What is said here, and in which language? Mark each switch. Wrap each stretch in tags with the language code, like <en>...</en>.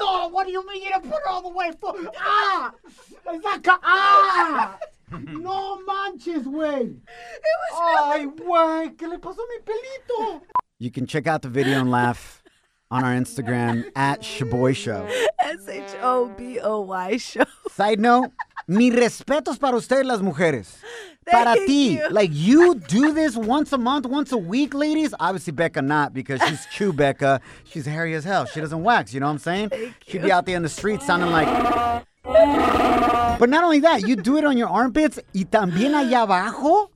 <en>No, what do you mean you didn't put it all the way for? Ah! Is that</en> <es>No manches, wey.</es> <en>It was</en> <es>really wey, que le pasó mi pelito?</es> <en>You can check out the video and laugh on our Instagram at Shaboy Show. S-H-O-B-O-Y Show. Side note,</en> <es>mi respetos para ustedes, las mujeres.</es> <en>Thank you. Like, you do this once a month, once a week, ladies? Obviously, Becca not, because she's Chew Becca. She's hairy as hell. She doesn't wax, you know what I'm saying? She'd be out there in the street sounding like... But not only that, you do it on your armpits,</en> <es>y también allá abajo?</es>